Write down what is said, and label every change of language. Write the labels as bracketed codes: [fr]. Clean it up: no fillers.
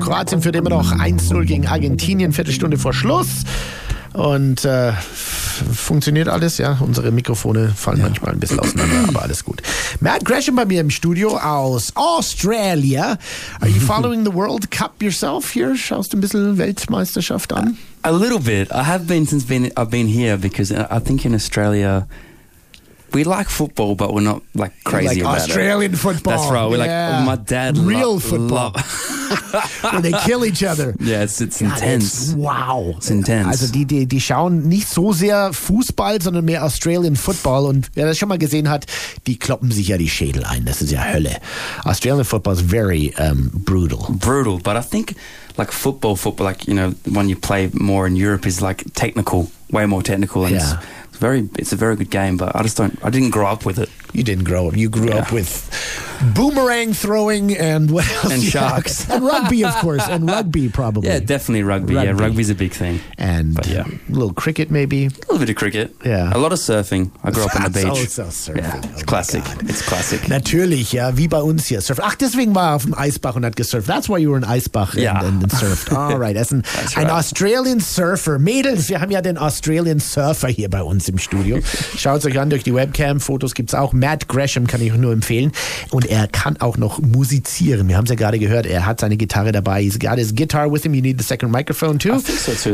[de] Kroatien führt immer noch 1-0 gegen Argentinien, Viertelstunde vor Schluss. Und funktioniert alles, ja. Unsere Mikrofone fallen manchmal ein bisschen auseinander, aber alles gut. Matt Gresham bei mir im Studio aus Australia. [en] Are you following the World Cup yourself here? [de] Schaust du ein bisschen Weltmeisterschaft an? [en] A little bit. I have been since I've been here because I think in Australia... We like football, but we're not like crazy like about Australian it. Australian football. That's right. We're like, oh, my dad. Real football. When they kill each other. Yeah, it's intense. It's, wow. It's intense. [de] Also die schauen nicht so sehr Fußball, sondern mehr Australian football. Und wer das schon mal gesehen hat, die kloppen sich ja die Schädel ein. Das ist ja Hölle. [en] Australian football is very brutal. Brutal. But I think like football, like, you know, when you play more in Europe is like technical, way more technical. And yeah. It's a very good game, but I didn't grow up with it. You didn't grow up. You grew up with boomerang throwing and what else? And sharks. And rugby, of course. And rugby, probably. Yeah, definitely rugby. Yeah, rugby's a big thing. And a little cricket, maybe. A little bit of cricket. Yeah. A lot of surfing. I grew up on the beach. Oh, so surfing. Yeah. It's classic. God. It's classic. [de] Natürlich, ja. Wie bei uns hier. Surfen. Ach, deswegen war er auf dem Eisbach und hat gesurft. [en] That's why you were in Eisbach and surfed. All right. As an Australian surfer. [de] Mädels, wir haben ja den Australian Surfer hier bei uns im Studio. Schaut es euch an durch die Webcam. Fotos gibt's auch. Matt Gresham kann ich nur empfehlen. Und er kann auch noch musizieren. Wir haben es ja gerade gehört. Er hat seine Gitarre dabei. [en] He's got his guitar with him. You need the second microphone too. I think so too.